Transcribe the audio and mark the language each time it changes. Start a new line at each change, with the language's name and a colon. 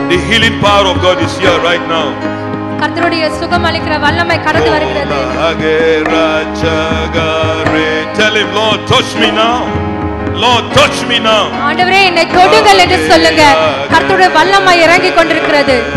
English: healing power of God is here right now.
Tamil: கர்த்தருடைய சுகம் அளிக்கிற வல்லமை கடந்து வருகிறது. Aake ராஜாகாரே,
English: tell him, Lord, touch me now. Lord, touch me now.
Tamil: ஆண்டவரே, என்னை தொடுங்கள் என்று சொல்லுங்க. கர்த்தருடைய வல்லமை இறங்கிக் கொண்டிருக்கிறது.